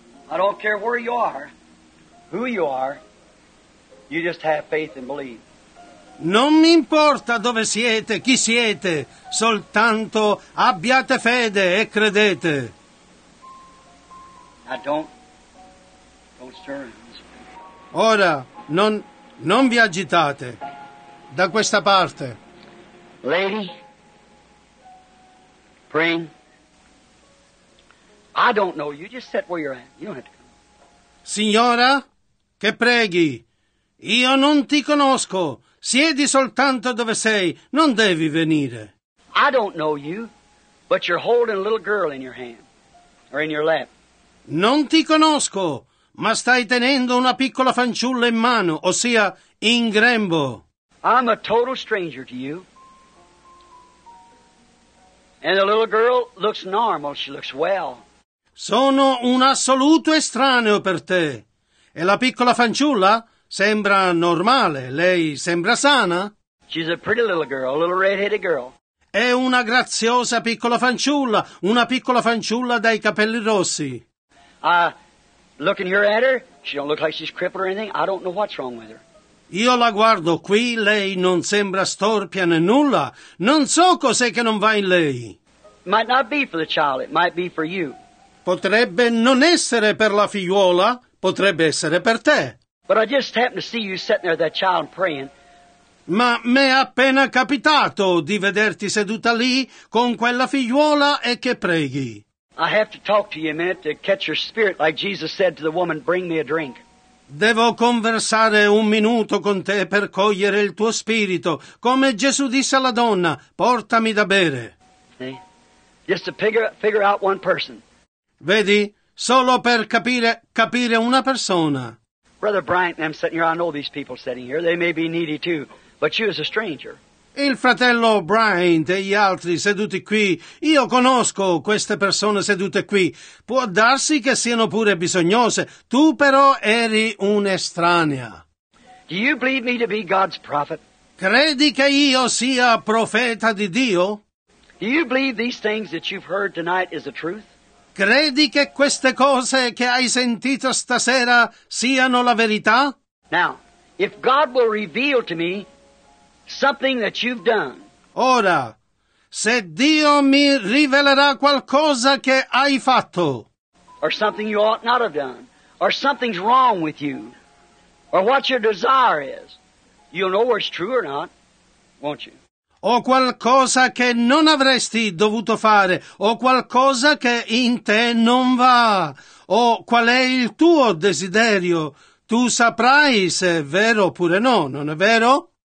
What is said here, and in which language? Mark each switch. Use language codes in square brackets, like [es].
[en] I don't care where you are, who you are, you just have faith and believe. [it] Non mi importa dove siete, chi siete, soltanto abbiate fede e credete. [en] I don't stir. [it] Ora, non vi agitate. Da questa parte. [en] Lady, praying. I don't know, you just sit where you're at. You don't have to come. [it] Signora, che preghi. Io non ti conosco. Siedi soltanto dove sei, non devi venire. [en] I don't know you, but you're holding a little girl in your hand, or in your lap. [it] Non ti conosco, ma stai tenendo una piccola fanciulla in mano, ossia in grembo. [en] I'm a total stranger to you. And the little girl looks normal, she looks well. [it] Sono un assoluto estraneo per te. E la piccola fanciulla? Sembra normale, lei sembra sana. [en] She's a pretty little girl, a little red-headed girl. [it] È una graziosa piccola fanciulla, una piccola fanciulla dai capelli rossi. [en] Looking here at her, she don't look like she's crippled or anything. I don't know what's wrong with her. [it] Io la guardo qui, lei non sembra storpia né nulla. Non so cos'è che non va in lei. [en] Might not be for the child, it might be for you. [it] Potrebbe non essere per la figliuola, potrebbe essere per te. [en] But I just happened to see you sitting there with that child praying. [it] Ma m'è appena capitato di vederti seduta lì con quella figliuola e che preghi. [en] I have to talk to you a minute to catch your spirit, like Jesus said to the woman, bring me a drink. [it] Devo conversare un minuto con te per cogliere il tuo spirito, come Gesù disse alla donna, portami da bere. [en] See? Just to figure out one person. [it] Vedi, solo per capire una persona. [en] Brother Bryant and I'm sitting here. I know these people sitting here. They may be needy too, but you as a stranger. [it] Il fratello Bryant e gli altri seduti qui. Io conosco queste persone sedute qui. Può darsi che siano pure bisognose. Tu però eri un'estranea. [en] Do you believe me to be God's prophet? [it] Credi che io sia profeta di Dio? [en] Do you believe these things that you've heard tonight is the truth? [it] Credi che queste cose che hai sentito stasera siano la verità? [en] Now, if God will reveal to me something that you've done. [it] Ora, se Dio mi rivelerà qualcosa che hai fatto. [en] Or something you ought not have done. Or something's wrong with you. Or what your desire is. You'll know where it's true or not, won't you? [it] O qualcosa che non avresti dovuto fare, o qualcosa che in te non va, o qual è il tuo desiderio, tu saprai se è vero oppure no, non è vero?